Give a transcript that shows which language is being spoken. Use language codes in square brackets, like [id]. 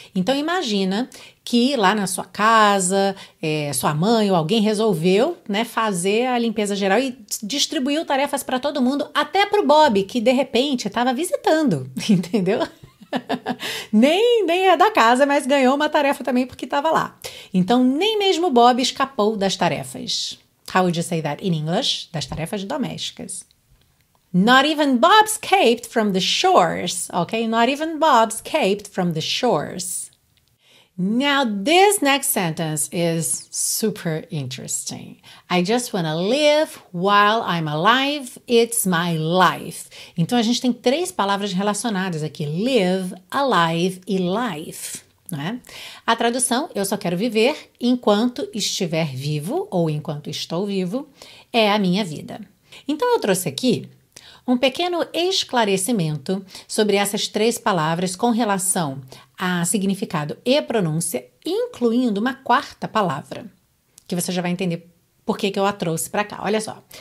[pt] Então, imagina que lá na sua casa, sua mãe ou alguém resolveu, né, fazer a limpeza geral e distribuiu tarefas para todo mundo, até para o Bob, que de repente estava visitando, entendeu? Nem é da casa, mas ganhou uma tarefa também porque estava lá. Então, nem mesmo o Bob escapou das tarefas. [en] How would you say that in English? [pt] Das tarefas domésticas. [en] Not even Bob escaped from the chores, ok? Not even Bob escaped from the chores. Now, this next sentence is super interesting. I just wanna live while I'm alive. It's my life. [pt] Então, a gente tem três palavras relacionadas aqui. Live, alive e life. Não é? A tradução, eu só quero viver enquanto estiver vivo ou enquanto estou vivo, é a minha vida. Então, eu trouxe aqui um pequeno esclarecimento sobre essas três palavras com relação a significado e pronúncia, incluindo uma quarta palavra, que você já vai entender por que, que eu a trouxe para cá. Olha só.